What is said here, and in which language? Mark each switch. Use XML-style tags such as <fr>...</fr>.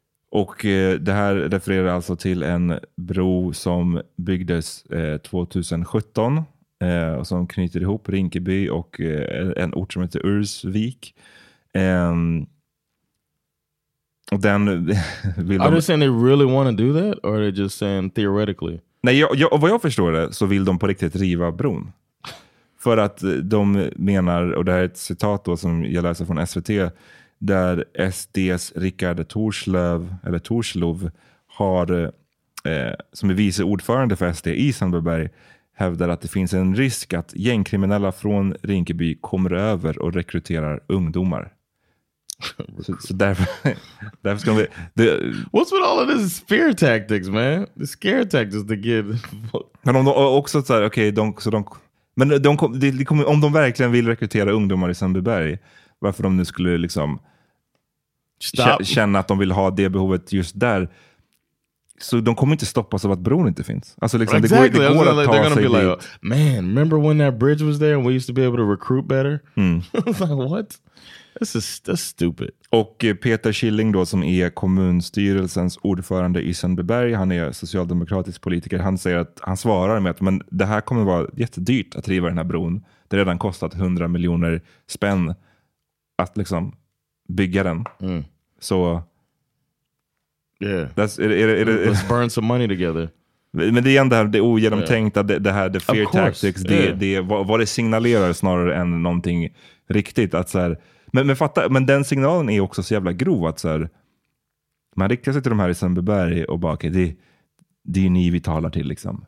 <sv>Och det här refererar alltså till en bro som byggdes 2017 och som knyter ihop Rinkeby och en ort som heter Ursvik. Och den vill de...</sv> <en>saying they really want to do that, or are they just saying theoretically?</en> <sv>Nej, vad jag förstår det så vill de på riktigt riva bron. För att de menar, och det här är ett citat då som jag läser från SVT, där SDs Rickard Torslöv, eller Torslov, har som är vice ordförande för SD i Sundbyberg, hävdar att det finns en risk att gängkriminella från Rinkeby kommer över och rekryterar ungdomar. Så därför ska vi...</sv> <en>What's with all of this fear tactics, man? The scare tactics to give...</en> <sv>Men om de också så här, okej, okay, men om de verkligen vill rekrytera ungdomar i Sundbyberg, varför de nu skulle liksom känna att de vill ha det behovet just där, så de kommer inte stoppas av att bron inte finns. Alltså liksom, exactly. Det går att ta sig dit.</sv> <en>Like, man, remember when that bridge was there and we used to be able to recruit better? I was like, what? That's stupid.</en> <sv>Och Peter Killing då, som är kommunstyrelsens ordförande i Sundbyberg, han är socialdemokratisk politiker, han säger att han svarar med att, men det här kommer vara jättedyrt att riva den här bron. Det redan kostat 100 miljoner spänn att liksom bygga den. Så</sv> <en>let's burn some money together.</en> <sv>Men det är ändå det ogenomtänkta, det här,</sv> <en>the fear tactics,</en> <sv>vad det signalerar snarare än någonting riktigt, att så här. Men fatta, men den signalen är också så jävla grov, att så här, man riktar sig till de här i Sundbyberg och bara, okay, det är ni vi talar till liksom.</sv>